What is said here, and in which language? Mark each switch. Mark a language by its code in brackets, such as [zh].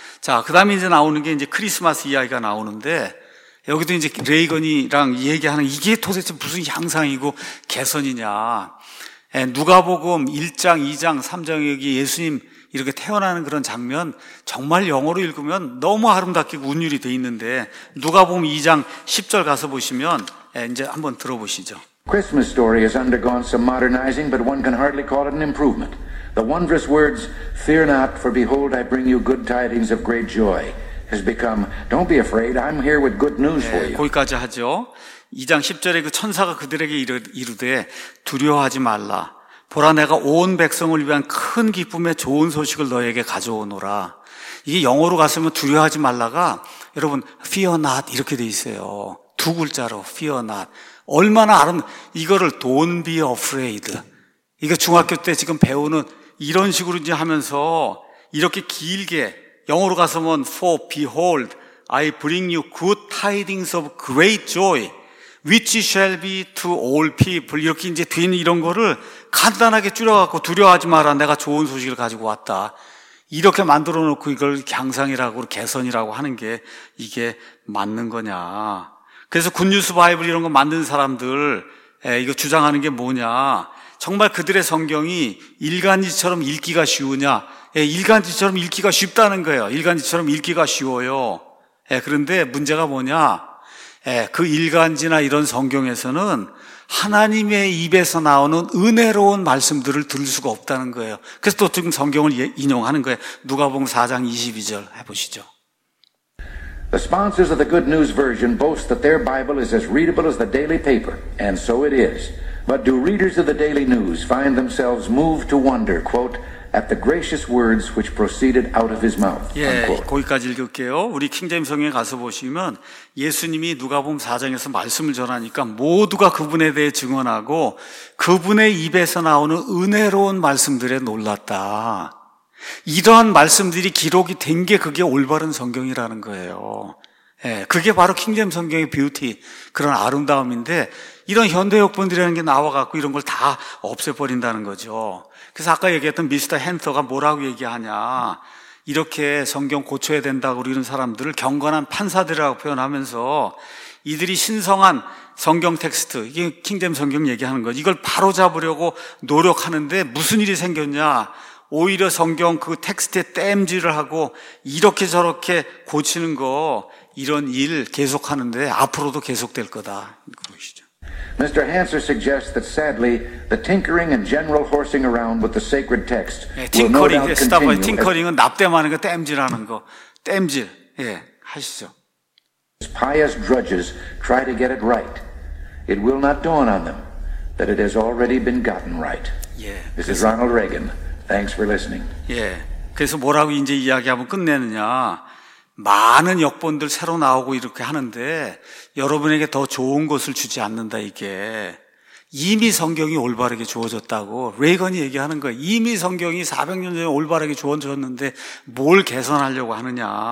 [ko] 자, 그 다음에 이제 나오는 게 이제 크리스마스 이야기가 나오는데 여기도 이제 레이건이랑 얘기하는 이게 도대체 무슨 향상이고 개선이냐. 누가복음 1장, 2장, 3장 여기 예수님 이렇게 태어나는 그런 장면 정말 영어로 읽으면 너무 아름답게 운율이 돼 있는데 누가복음 2장 10절 가서 보시면 이제 한번 들어보시죠. [en] Christmas story has undergone some modernizing, but one can hardly call it an improvement. The wondrous words, Fear not, for behold, I bring you good tidings of great joy, has become, Don't be afraid, I'm here with good news for you. [ko] 네, 거기까지 하죠. 2장 10절에 그 천사가 그들에게 이르되, 두려워하지 말라. 보라, 내가 온 백성을 위한 큰 기쁨의 좋은 소식을 너에게 가져오노라. 이게 영어로 갔으면 두려워하지 말라가, 여러분, [en] fear not [ko] 이렇게 돼 있어요. 두 글자로 [en] fear not. [ko] 얼마나 아름다운, 이거를 [en] don't be afraid. [ko] 이거 중학교 때 지금 배우는 이런 식으로 이제 하면서 이렇게 길게 영어로 가서면 [en] for behold, I bring you good tidings of great joy, which shall be to all people. [ko] 이렇게 이제 된 이런 거를 간단하게 줄여갖고 두려워하지 마라. 내가 좋은 소식을 가지고 왔다. 이렇게 만들어 놓고 이걸 향상이라고, 개선이라고 하는 게 이게 맞는 거냐. 그래서 굿뉴스 바이블 이런 거 만든 사람들, 이거 주장하는 게 뭐냐. 정말 그들의 성경이 일간지처럼 읽기가 쉬우냐. 일간지처럼 읽기가 쉽다는 거예요. 일간지처럼 읽기가 쉬워요. 그런데 문제가 뭐냐. 그 일간지나 이런 성경에서는 하나님의 입에서 나오는 은혜로운 말씀들을 들을 수가 없다는 거예요. 그래서 또 지금 성경을 인용하는 거예요. 누가복음 4장 22절 해보시죠. [en] The sponsors of the Good News Version boast that their Bible is as readable as the daily paper, and so it is. But do readers of the daily news find themselves moved to wonder, quote, at the gracious words which proceeded out of his mouth, unquote. [ko] 예, 거기까지 읽을게요. 우리 킹제임 성경에 가서 보시면 예수님이 누가복음 4장에서 말씀을 전하니까 모두가 그분에 대해 증언하고 그분의 입에서 나오는 은혜로운 말씀들에 놀랐다. 이러한 말씀들이 기록이 된 게 그게 올바른 성경이라는 거예요. 예, 그게 바로 킹제임 성경의 뷰티, 그런 아름다움인데 이런 현대역본들이라는 게 나와갖고 이런 걸 다 없애버린다는 거죠. 그래서 아까 얘기했던 미스터 헨터가 뭐라고 얘기하냐. 이렇게 성경 고쳐야 된다고 우리는 사람들을 경건한 판사들이라고 표현하면서 이들이 신성한 성경 텍스트, 이게 킹제임 성경 얘기하는 거죠. 이걸 바로잡으려고 노력하는데 무슨 일이 생겼냐. 오히려 성경 그 텍스트에 땜질을 하고 이렇게 저렇게 고치는 거, 이런 일 계속하는데 앞으로도 계속될 거다. 보시죠. [en] Mr. Hanser suggests that sadly the tinkering and general horsing around with the sacred text. [ko] 네, 팅커링, 스타버, 팅커링은 납땜하는 거, 땜질하는 거. 땜질. 예, 네, 하시죠. [en] Pious drudges try to get it right. It will not dawn on them that it has already been gotten right. [ko] 예. [en] This is Ronald Reagan. Thanks for listening. [ko] 예. 그래서 뭐라고 이제 이야기하면 끝내느냐? 많은 역본들 새로 나오고 이렇게 하는데 여러분에게 더 좋은 것을 주지 않는다. 이게 이미 성경이 올바르게 주어졌다고 레이건이 얘기하는 거예요. 이미 성경이 400년 전에 올바르게 주어졌는데 뭘 개선하려고 하느냐.